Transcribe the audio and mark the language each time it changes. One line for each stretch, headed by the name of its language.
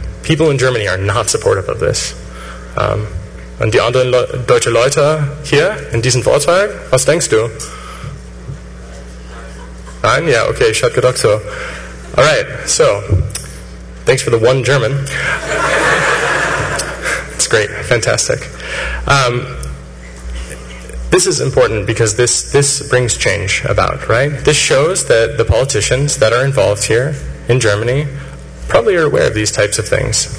English: People in Germany are not supportive of this.
German: Und die anderen deutsche Leute hier in diesem Vortrag, was denkst du? Nein?
English: Yeah, okay,
German: ich hatte gedacht so.
English: All right, so, thanks for the one German. It's great, fantastic. This is important because this brings change about, right? This shows that the politicians that are involved here in Germany probably are aware of these types of things.